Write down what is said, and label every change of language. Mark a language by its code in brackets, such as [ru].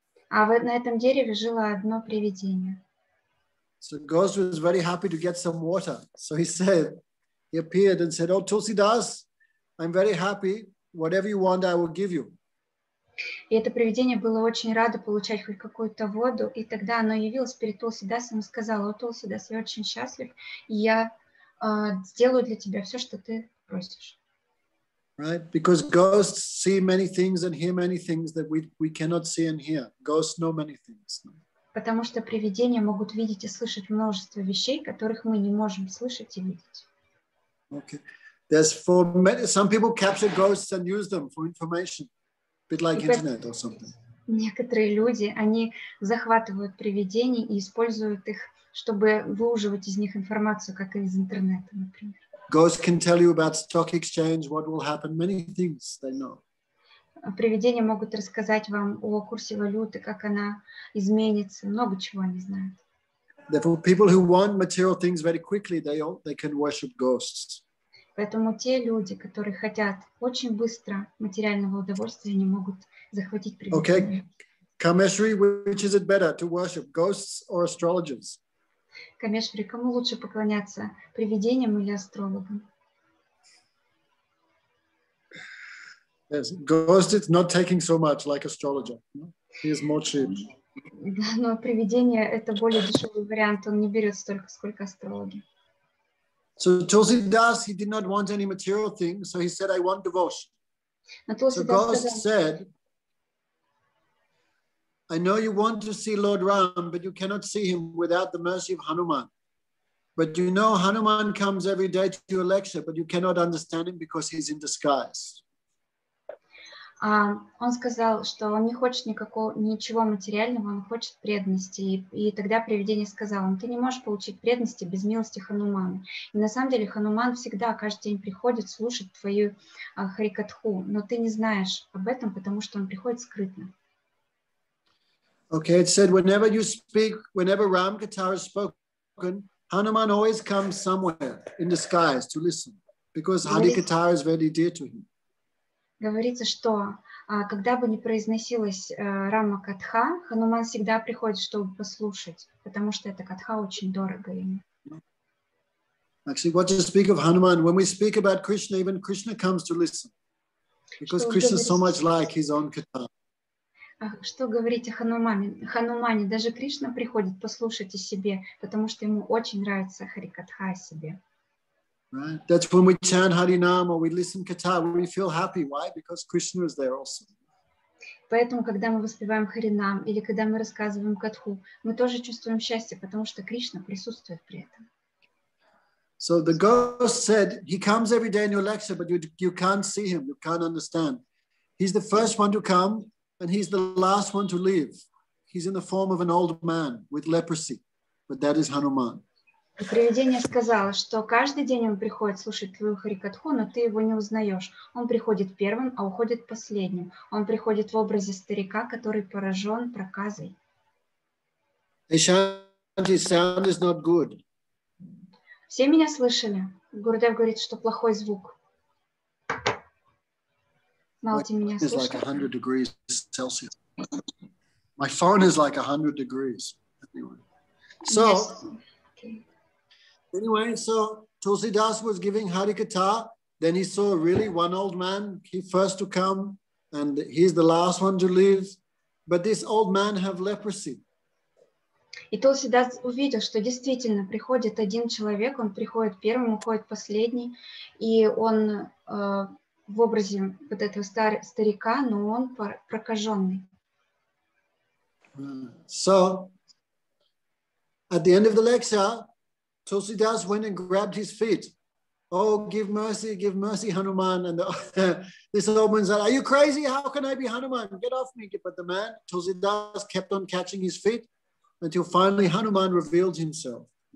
[ru] А вот на этом дереве жило одно привидение. [en] So the ghost was very happy to get some water. So he said, he appeared and said, "Oh, Tulsidas, I'm very happy. Whatever you want, I will give you." [ru] И это привидение было очень радо получать хоть какую-то воду, и тогда оно явилось перед Тулсидасом и сказало: "О, Тулсидас, я очень счастлив, и я сделаю для тебя все, что ты просишь." [en] Right, because ghosts see many things and hear many things that we cannot see and hear. Ghosts know many things. [ru] Потому что привидения могут видеть и слышать множество вещей, которых мы не можем слышать и видеть. [en] Okay, there's for many, some people capture ghosts and use them for information. Bit like internet or something. [ru] Некоторые люди, они захватывают привидений и используют их, чтобы выуживать из них информацию, как из интернета, например. [en] Ghosts can tell you about stock exchange, what will happen, many things they know. [ru] Привидения могут рассказать вам о курсе валюты, как она изменится, много чего они знают. [en] Therefore, people who want material things very quickly, they can worship ghosts. [ru] Поэтому те люди, которые хотят очень быстро материального удовольствия, они могут захватить привидения. [en] Okay. Камешри, which is it better to worship, ghosts or astrologers? [ru] Камешри, кому лучше поклоняться, привидениям или астрологам? [en] Yes, ghost is not taking so much like astrologer. He is more cheap. [ru] Да, но привидение это более дешевый вариант. Он не берет столько, сколько астрологи. [en] So Tulsidas, he did not want any material things, so he said, "I want devotion." So ghost said, "I know you want to see Lord Ram, but you cannot see him without the mercy of Hanuman. But you know Hanuman comes every day to your lecture, but you cannot understand him because he's in disguise." [ru] Он сказал, что он не хочет ничего материального, он хочет преданности. И тогда привидение сказало, ты не можешь получить преданности без милости Хануман. И на самом деле Хануман всегда, каждый день приходит слушать твою харикатху, но ты не знаешь об этом, потому что он приходит скрытно. [en] Okay, it said, whenever you speak, whenever Ramkatha is spoken, Hanuman always comes somewhere in disguise to listen, because Harikatha is very dear to him. [ru] Говорится, что когда бы ни произносилась Рама Катха, Хануман всегда приходит, чтобы послушать, потому что эта Катха очень дорога ему. [en] Actually, what to speak of Hanuman? When we speak about Krishna, even Krishna comes to listen. Because Krishna so much like his own Katha. [ru] Что говорить о Хануман? Хануманин, даже Кришна приходит послушать о себе, потому что ему очень нравится Харикатха о себе. [en] Right. That's when we chant Harinam or we listen Katha, we feel happy. Why? Because Krishna is there also. [ru] Поэтому, когда мы воспеваем Харинам или когда мы рассказываем Катху, мы тоже чувствуем счастье, потому что Кришна присутствует при этом. [en] So the ghost said, he comes every day in your lecture, but you can't see him, you can't understand. He's the first one to come and he's the last one to leave. He's in the form of an old man with leprosy, but that is Hanuman. [ru] Привидение сказало, что каждый день он приходит слушать твою харикатху, но ты его не узнаешь. Он приходит первым, а уходит последним. Он приходит в образе старика, который поражен проказой. [en] Ishanti, sound is not good. [ru] Все меня слышали? Гурдев говорит, что плохой звук. Малти меня слышит. [en] My phone is like 100 degrees. Anyway. So... Yes. Anyway, so Tulsidas was giving Harikatha, then he saw really one old man, he first to come, and he's the last one to leave, but this old man have leprosy. [ru] И Тулсидас увидел, что действительно приходит один человек, он приходит первым, уходит последний, и он в образе вот этого старика, но он прокаженный. [en] So, at the end of the lecture, Tulsidas went and grabbed his feet. Oh, give mercy, Hanuman. And this old man said, are you crazy? How can I be Hanuman? Get off me. But the man, Tulsidas, kept on catching his feet until finally Hanuman revealed himself.